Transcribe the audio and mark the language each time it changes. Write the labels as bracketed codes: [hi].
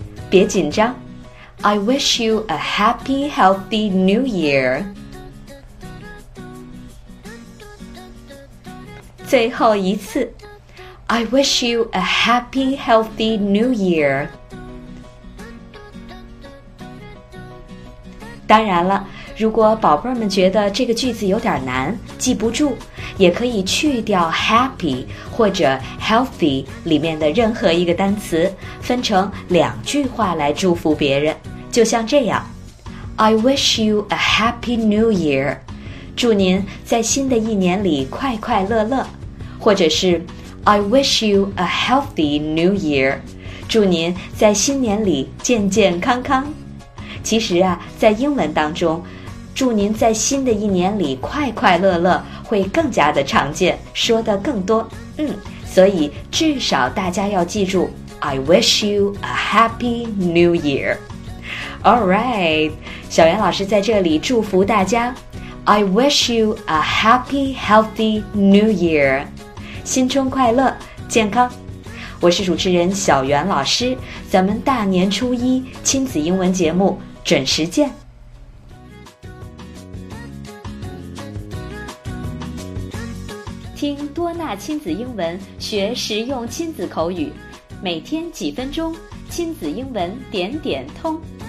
[zh] 别紧张 [en] I wish you a happy, healthy new year. [zh] 最后一次 [en] I wish you a happy, healthy new year. [zh] 当然了，如果宝贝儿们觉得这个句子有点难，记不住，也可以去掉 happy 或者 healthy 里面的任何一个单词，分成两句话来祝福别人，就像这样 [en] I wish you a happy new year， [zh] 祝您在新的一年里快快乐乐，或者是 I wish you a healthy new year， 祝您在新年里健健康康。其实啊，在英文当中，祝您在新的一年里快快乐乐会更加的常见，说得更多。所以至少大家要记住 [en] I wish you a happy new year. Alright, [zh] 小袁老师在这里祝福大家 [en] I wish you a happy healthy new year. [zh] 新春快乐，健康。我是主持人小袁老师，咱们大年初一亲子英文节目准时见。听多纳亲子英文，学实用亲子口语，每天几分钟，亲子英文点点通。